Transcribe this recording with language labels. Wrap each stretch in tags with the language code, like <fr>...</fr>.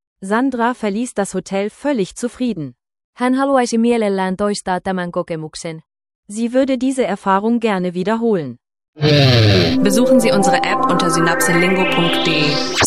<de>Sandra verließ das Hotel völlig zufrieden.</de> <fi>Hän haluaisi mielellään toistaa tämän kokemuksen.</fi> <de>Sie würde diese Erfahrung gerne wiederholen. Besuchen Sie unsere App unter synapselingo.de.</de>